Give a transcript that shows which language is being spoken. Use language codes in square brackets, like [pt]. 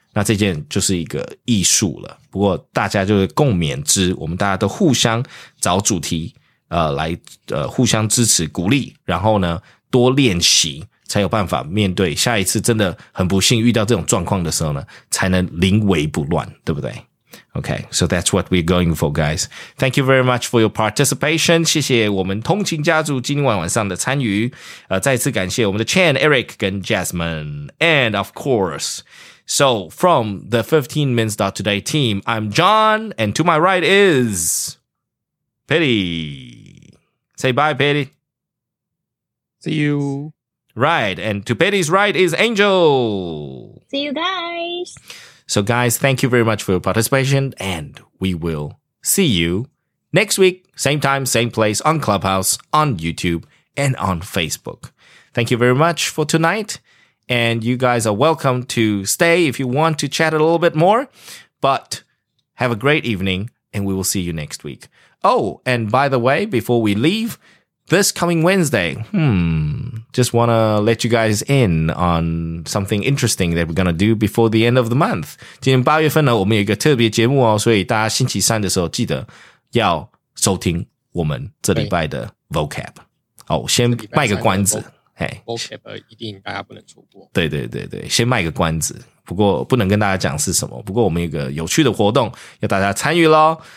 [zh] 那这件就是一个艺术了。不过大家就是共勉之，我们大家都互相找主题。互相支持鼓励，然后呢多练习才有办法面对下一次真的很不幸遇到这种状况的时候呢才能临危不乱，对不对？ [en] Okay, so that's what we're going for, guys. Thank you very much for your participation. [zh] 谢谢我们通勤家族今晚晚上的参与，再次感谢我们的 Chan, Eric 跟 Jasmine. [en] And of course, so from the 15minutes.today team, I'm John, and to my right is... Petty. Say bye, Petty. See you. Right. And to Petty's right is Angel. See you guys. So guys, thank you very much for your participation. And we will see you next week. Same time, same place on Clubhouse, on YouTube, and on Facebook. Thank you very much for tonight. And you guys are welcome to stay if you want to chat a little bit more. But have a great evening. And we will see you next week. Oh, and by the way, before we leave, this coming Wednesday, just want to let you guys in on something interesting that we're going to do before the end of the month. [zh] 今天八月份呢，我们有一个特别节目哦，所以大家星期三的时候记得要收听我们这礼拜的 vocab. 好，先卖个关子。 vocab 一定大家不能错过。对对对对，先卖个关子。不过不能跟大家讲是什么，不过我们有一个有趣的活动要大家参与咯。